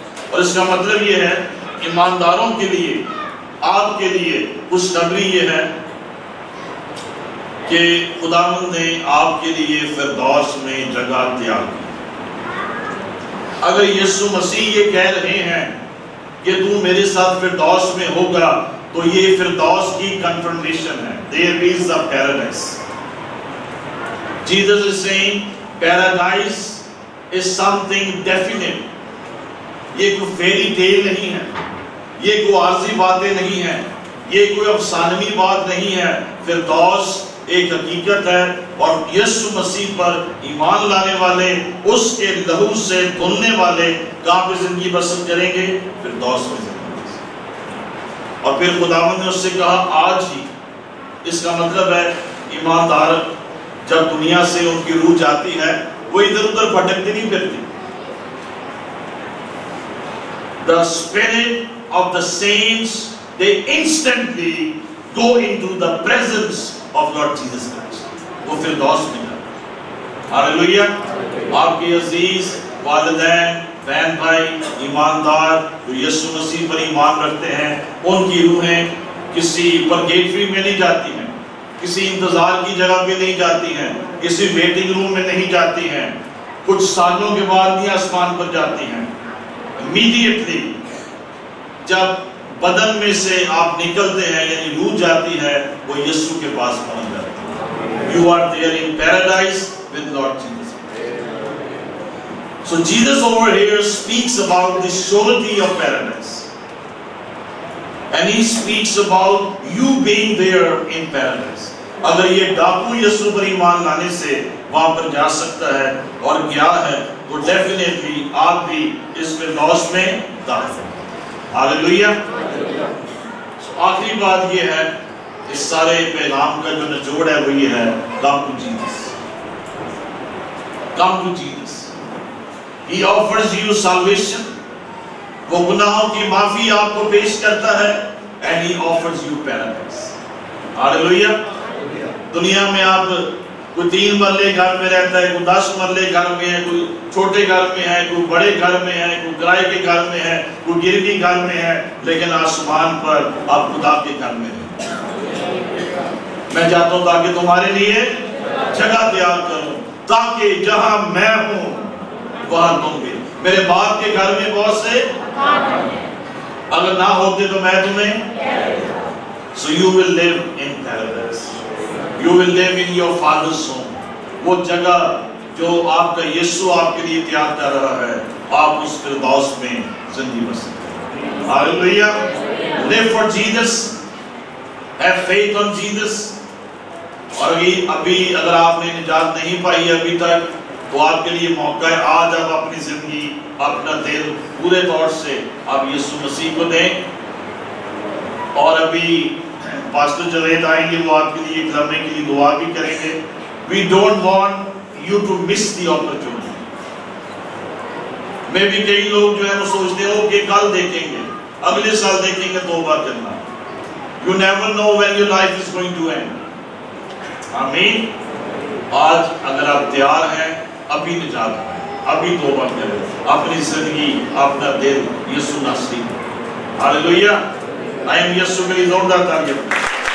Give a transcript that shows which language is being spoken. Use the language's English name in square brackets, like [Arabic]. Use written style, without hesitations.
[Urdu] اور اس کا مطلب یہ ہے ایمانداروں کے لیے, آپ کے لیے اس خبری یہ ہے کہ خداوند نے آپ کے لیے فردوس میں جگہ تیار کی. اگر یسوع مسیح یہ کہہ رہے ہیں کہ کہ تو میرے ساتھ فردوس میں ہوگا تو یہ فردوس کی کنفرمیشن ہے. [English] There is a paradise. Jesus is saying paradise is something definite. [Urdu] یہ کوئی فیری ٹیل نہیں ہے, یہ کوئی عارضی باتیں نہیں ہیں, یہ کوئی افسانوی بات نہیں ہے. فردوس ایک حقیقت ہے, اور یسوع مسیح پر ایمان لانے والے, اس کے لہو سے دھلنے والے کہاں پہ زندگی بسر کریں گے؟ فردوس میں زندگی بسر. اور پھر خداوند نے اس سے کہا آج ہی. اس کا مطلب ہے ایماندار جب دنیا سے ان کی روح جاتی ہے وہ ادھر ادھر بھٹکتی نہیں پھرتی. [English] The spirit of the saints, they instantly go into the presence of Lord Jesus Christ. [Urdu] وہ فردوس میں جاتا ہے. ہالیلویہ. آپ کے عزیز والدین, بہن بھائی, ایماندار جو یسوع مسیح پر ایمان رکھتے ہیں, ان کی روحیں کسی پرگیٹری میں نہیں جاتی ہیں, کسی انتظار کی جگہ پہ نہیں جاتی ہیں, کسی ویٹنگ روم میں نہیں جاتی ہیں, کچھ سالوں کے بعد ہی آسمان پر جاتی ہیں. امیڈیٹلی جب بدن میں سے آپ نکلتے ہیں یعنی روح جاتی ہے, وہ یسوع کے پاس پہنچ جاتی ہے. [English] You are there in paradise with Lord Jesus. So Jesus over here speaks about the surety of paradise. And he speaks about you being there in paradise. [Urdu] اگر یہ ڈاکو یسوع پر ایمان لانے سے وہاں پر جا سکتا ہے اور گیا ہے, تو ڈیفینیٹلی آپ بھی اس فردوس میں داخل ہیں. ہالیلویہ. آخری بات یہ ہے اس سارے پیغام کا جو نچوڑ ہے وہ یہ ہے, [English] Come to Jesus. Come to Jesus. He offers you salvation. [Urdu] وہ گناہوں کی معافی آپ کو پیش کرتا ہے. [English] And he offers you paradise. [Urdu] ہالیلویہ. دنیا میں آپ کوئی 3 مرلے گھر میں رہتا ہے, کوئی 10 مرلے گھر میں ہے, کوئی چھوٹے گھر میں ہے, کوئی بڑے گھر میں ہے, کوئی کرائے کے گھر میں ہے, کوئی گروی گھر میں ہے, لیکن آسمان پر آپ خدا کے گھر میں ہیں. میں چاہتا ہوں تاکہ تمہارے لیے جگہ تیار کروں, تاکہ جہاں میں ہوں وہاں تم بھی. میرے باپ کے گھر میں بہت سے اگر نہ ہوتے تو میں تمہیں. [English] So you will live in paradise. You will live in your father's home. [Urdu] وہ جگہ جو آپ کا یسوع آپ کے لیے تیار کر رہا ہے, آپ اس فردوس میں زندگی بسر کریں. [English] Hallelujah. Live for Jesus. Have faith on Jesus. [Urdu] اور ابھی اگر آپ نے نجات نہیں پائی ابھی تک, تو آپ کے لیے موقع ہے. آج آپ اپنی زندگی, اپنا دل پورے طور سے آپ یسوع مسیح کو دیں. اور ابھی پاسٹر جلید آئیں گے, وہ آپ کے لیے کرنے کے لیے دعا بھی کریں گے. [English] We don't want you to miss the opportunity. [Urdu] میں بھی کئی لوگ جو ہے وہ سوچتے ہو کہ کل دیکھیں گے, اگلے سال دیکھیں گے, توبہ کرنا. [English] You never know when your life is going to end. [Urdu] آمین. آج اگر آپ تیار ہیں, ابھی نجات ہے, ابھی توبہ کریں, اپنی زندگی, اپنا دل یسوع مسیح. ہالیلویہ. آئیں یسوع کے لیے زوردار تالیاں.